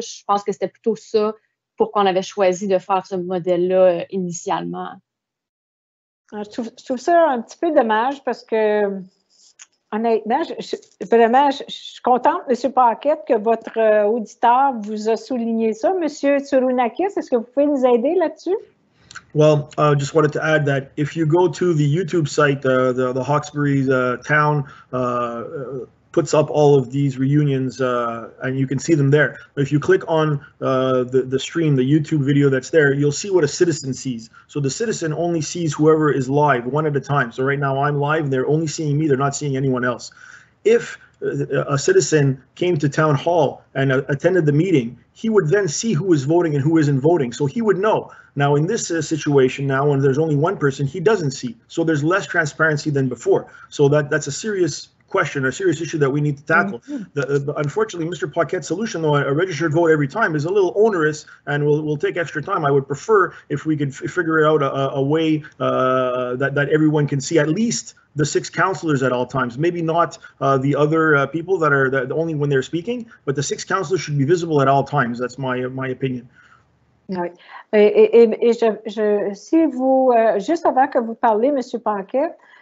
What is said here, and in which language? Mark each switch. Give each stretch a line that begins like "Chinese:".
French: Je pense que c'était plutôt ça pourquoi on avait choisi de faire ce modèle-là initialement. Je trouve ça un petit peu dommage parce que honnêtement, je suis contente, M. Paquette, que votre auditeur vous a souligné ça. M. Tsourounakis, est-ce que vous pouvez nous aider là-dessus?
English: Well, I just wanted to add that if you go to the YouTube site, the Hawkesbury's town puts up all of these reunions and you can see them there. If you click on the stream, the YouTube video that's there, you'll see what a citizen sees. So the citizen only sees whoever is live one at a time. So right now I'm live, they're only seeing me, they're not seeing anyone else. If a citizen came to town hall and attended the meeting, he would then see who is voting and who isn't voting. So he would know. Now in this situation now, when there's only one person, he doesn't see. So there's less transparency than before. So that's a serious question, a serious issue that we need to tackle. Unfortunately, Mr. Paquette's solution, though a registered vote every time, is a little onerous and will take extra time. I would prefer if we could figure out a way that everyone can see at least the 6 counselors at all times. Maybe not the other people that are the only when they're speaking, but the 6 counselors should be visible at all times. That's my opinion.
French: Oui. Et je, si vous, juste avant que vous parliez, M. Paquette,